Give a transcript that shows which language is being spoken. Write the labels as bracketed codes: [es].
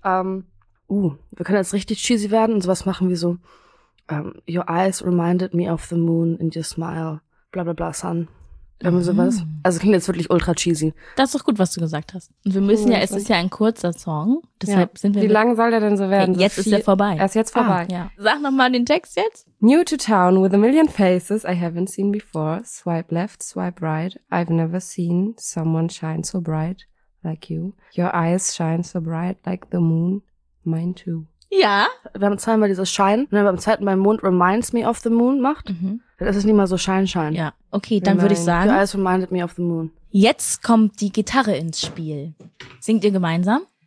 [de] Wir können jetzt richtig cheesy werden und sowas machen wie so [en] Your eyes reminded me of the moon in your smile. [de] Bla bla bla, sun. Irgendwie sowas. Also klingt jetzt wirklich ultra cheesy. Das ist doch gut, was du gesagt hast. Und wir müssen es ist ja ein kurzer Song. Deshalb sind wir. Wie lang soll der denn so werden? Jetzt ist er vorbei. Er ist jetzt vorbei. Ja. Sag nochmal den Text jetzt. [en] New to town with a million faces I haven't seen before. Swipe left, swipe right. I've never seen someone shine so bright like you. Your eyes shine so bright like the moon. Mine too. [de] Ja. Wir haben zweimal dieses Shine. Und wenn man beim zweiten Mal Mond [en] reminds me of the moon [de] macht, dann ist es nicht mal so Shine. Ja. Okay, dann würde ich sagen. [en] Your eyes reminded me of the moon. [de] Jetzt kommt die Gitarre ins Spiel. Singt ihr gemeinsam?